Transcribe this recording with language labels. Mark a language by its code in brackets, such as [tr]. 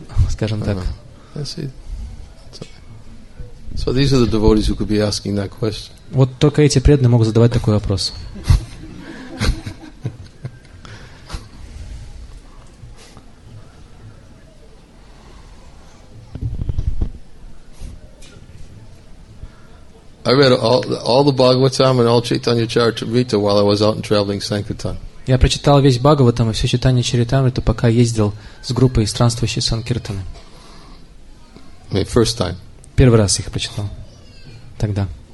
[ru] Скажем так. [en] So these are the devotees who could be asking that question. [ru] Вот только эти преданные могут задавать такой вопрос. [en] I read all the Bhagavatam and all Chaitanya Charitamrita while I was out and traveling Sankirtan. [ru] Я прочитал весь Бхагаватам и все Чайтанья Чаритамриту, пока ездил с группой странствующей Санкиртаны. [en] I mean, first time. [ru] Первый раз их прочитал. Тогда.